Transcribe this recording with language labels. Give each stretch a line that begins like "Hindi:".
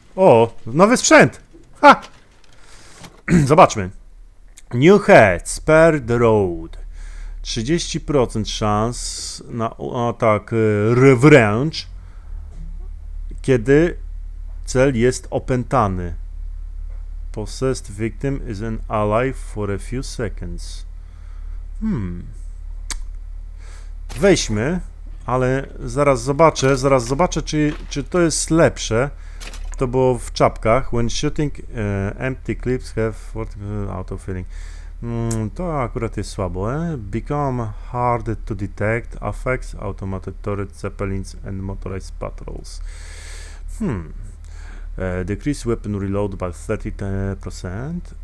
Polish: O, nowy sprzęt! Ha! Zobaczmy.
English: New head, spare the road.
Polish: 30% szans na atak wręcz, kiedy cel jest opętany.
English: Possessed victim is an ally for a few seconds.
Polish: Weźmy, ale zaraz zobaczę, czy to jest lepsze. To było w czapkach.
English: When shooting empty clips have 40% auto-filling.
Polish: To akurat jest słabo.
English: Become hard to detect. Affects automated turret, zeppelins and motorized patrols. Decrease weapon reload by 30%.